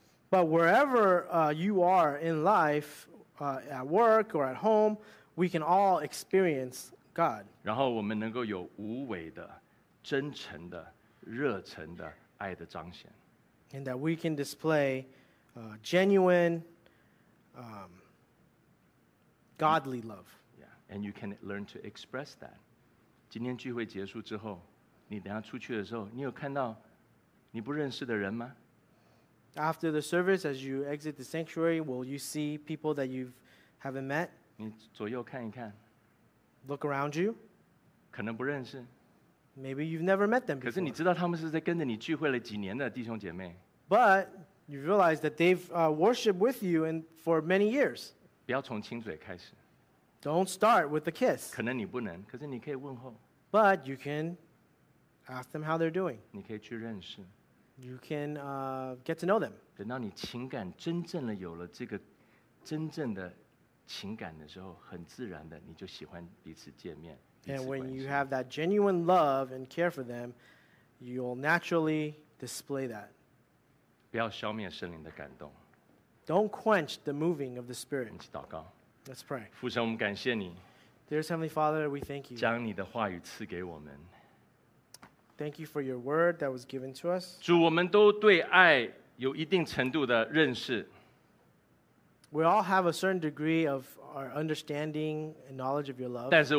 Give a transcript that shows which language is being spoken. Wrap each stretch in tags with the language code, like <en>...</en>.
<en>But wherever you are in life, at work or at home, we can all experience God.</en> <zh>然后我们能够有无为的、真诚的、热诚的爱的彰显。</zh> <en>And that we can display genuine, godly love. Yeah. And you can learn to express that.</en> <zh>今天聚会结束之后，你等下出去的时候，你有看到你不认识的人吗？</zh> <en>After the service, as you exit the sanctuary, will you see people that you haven't met?</en> <zh>你左右看一看,</zh> <en>look around you.</en> <zh>可能不认识,</zh> <en>maybe you've never met them before.</en> <zh>可是你知道他们是在跟着你聚会了几年的弟兄姐妹,</zh> <en>but you realize that they've worshipped with you in, for many years.</en> <zh>不要从亲嘴开始,</zh> <en>don't start with a kiss.</en> <zh>可能你不能, 可是你可以问候,</zh> <en>but you can ask them how they're doing.</en> <zh>你可以去认识,</zh> <en>you can get to know them.</en> <zh>等到你情感真正的有了这个真正的情感的时候，很自然的你就喜欢彼此见面。</zh> <en>And when you have that genuine love and care for them, you'll naturally display that.</en> <zh>不要消灭圣灵的感动。</zh> <en>Don't quench the moving of the Spirit.</en> <zh>一起祷告。</zh> <en>Let's pray.</en> <zh>父神，我们感谢你。</zh> <en>Dear Heavenly Father, we thank you.</en> <zh>将你的话语赐给我们。</zh> <en>Thank you for your word that was given to us.</en> <zh>主，我们都对爱有一定程度的认识。</zh> <en>We all have a certain degree of our understanding and knowledge of your love.</en>